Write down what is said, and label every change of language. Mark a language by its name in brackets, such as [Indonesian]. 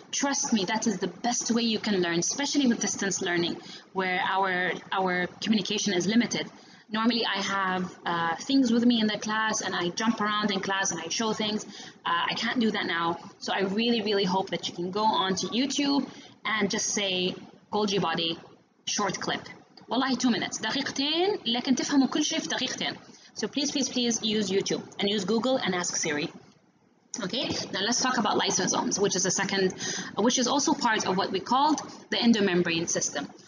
[English] Trust me, that is the best way you can learn, especially with distance learning, where our communication is limited. Normally, I have things with me in the class, and I jump around in class, and I show things. I can't do that now, so I really, really hope that you can go onto YouTube and just say Golgi body, short clip. Wallahi, 2 minutes. [Arabic] دقيقتين, لكن تفهموا كل شيء في دقيقتين. [English] So please, please, please use YouTube, and use Google, and ask Siri. Okay, now let's talk about lysosomes, which is a second, which is also part of what we called the endomembrane system.